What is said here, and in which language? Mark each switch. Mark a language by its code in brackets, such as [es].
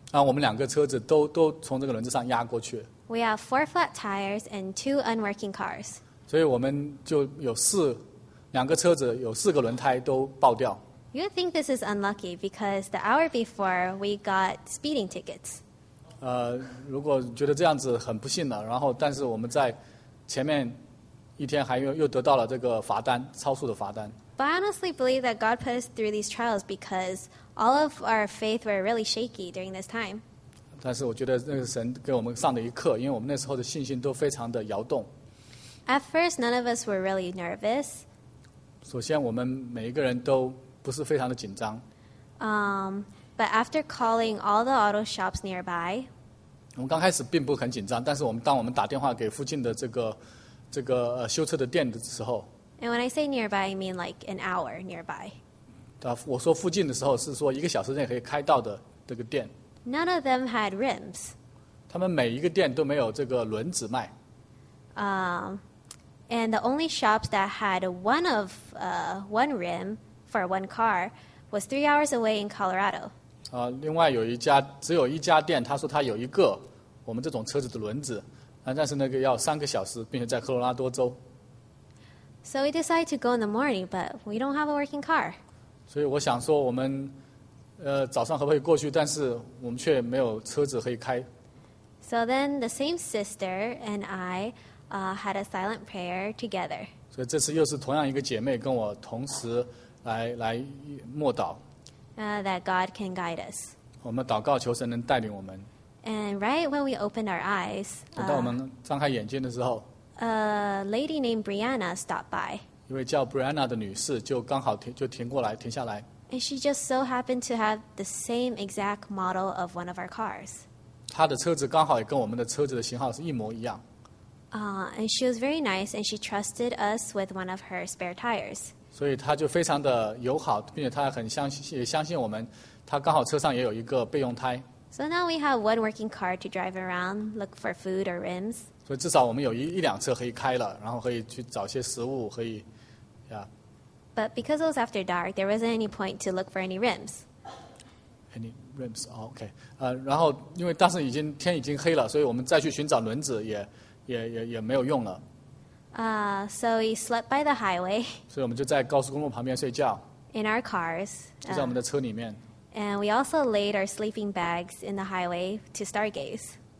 [zh] 然后我们两个车子都从这个轮子上压过去。 [en] We have 4 flat tires and 2 unworking cars. [zh] 所以我们就有两个车子有四个轮胎都爆掉。 [en] You would think this is unlucky because the hour before we got speeding tickets. [zh] 如果觉得这样子很不幸了，然后但是我们在前面一天还又得到了这个罚单，超速的罚单。 [en] But I honestly believe that God put us through these trials because all of our faith were really shaky during this time. [zh] 但是我觉得那个神给我们上的一课，因为我们那时候的信心都非常的摇动。 [en] At first, none of us were really nervous. [zh] 首先，我们每一个人都不是非常的紧张。 [en] But after calling all the auto shops nearby, [zh] 我们刚开始并不很紧张，但是当我们打电话给附近的这个修车的店的时候。 [en] And when I say nearby, I mean like an hour nearby. [zh] 我说附近的时候是说一个小时内可以开到的这个店。 [en] None of them had rims. [zh] 他们每一个店都没有这个轮子卖。 [en] And the only shops that had one rim for one car was 3 hours away in Colorado. [zh] 另外有一家只有一家店，他说他有一个我们这种车子的轮子，但是那个要3个小时，并且在科罗拉多州。 [en] So we decided to go in the morning, but we don't have a working car. [zh] 所以我想说我们早上可不可以过去，但是我们却没有车子可以开。 [en] So then the same sister and I had a silent prayer together. [zh] 所以这次又是同样一个姐妹跟我同时来默祷。 [en] That God can guide us. [zh] 我们祷告求神能带领我们。 [en] And right when we opened our eyes, [zh] 等到我们张开眼睛的时候， [en] A lady named Brianna stopped by. [zh] 一位叫 Brianna 的女士就刚好停下来。 [en] And she just so happened to have the same exact model of one of our cars. [zh] 她的车子刚好也跟我们的车子的型号是一模一样。 [en] And she was very nice, and she trusted us with one of her spare tires. [zh] 所以她就非常的友好，并且她很相信我们，她刚好车上也有一个备用胎。 [en] So now we have 1 working car to drive around, look for food or rims. [zh] 所以至少我们有一辆车可以开了，然后可以去找些食物，可以， [en] But because it was after dark, there wasn't any point to look for any rims. Any rims? Oh, okay. [zh] 然后因为当时天已经黑了，所以我们再去寻找轮子也没有用了。 [en] So we slept by the highway. [zh] 所以我们就在高速公路旁边睡觉。 [en] In our cars. [zh] 就在我们的车里面。 [en] And we also laid our sleeping bags in the highway to stargaze.